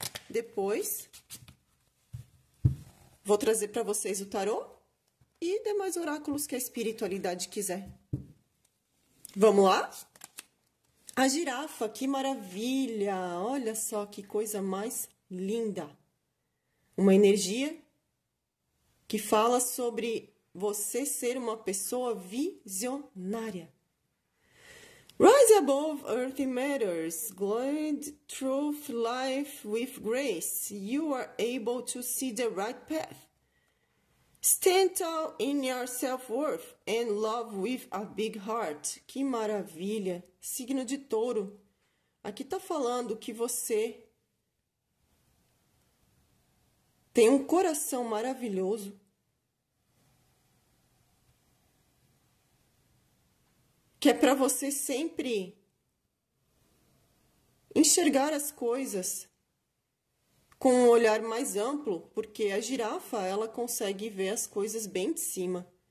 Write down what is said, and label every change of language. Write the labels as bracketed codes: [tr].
[pt] Depois, vou trazer para vocês o tarô e demais oráculos que a espiritualidade quiser. Vamos lá? A girafa, que maravilha! Olha só que coisa mais linda! Uma energia que fala sobre você ser uma pessoa visionária. [en] Rise above earthly matters, glide through life with grace. You are able to see the right path. Stand tall in your self-worth and love with a big heart. [pt] Que maravilha! Signo de Touro. Aqui tá falando que você tem um coração maravilhoso. Que é para você sempre enxergar as coisas com um olhar mais amplo, porque a girafa, ela consegue ver as coisas bem de cima.